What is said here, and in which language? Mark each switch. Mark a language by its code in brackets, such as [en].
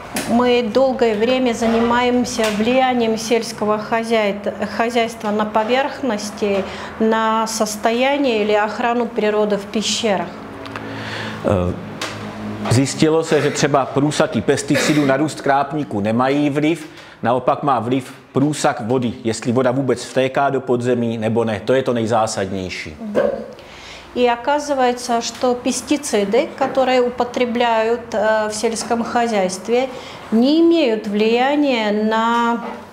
[ru] Мы долгое время занимаемся влиянием сельского хозяйства на поверхности, на состояние или охрану природы в пещерах. [cs] Zjistilo se, že třeba průsaky pesticidů na růst krápníků nemají vliv, naopak má vliv průsak vody, jestli voda vůbec vtéká do podzemí nebo ne. To je to nejzásadnější. [ru] И оказывается, что пестициды, которые употребляют в сельском хозяйстве, не имеют влияния на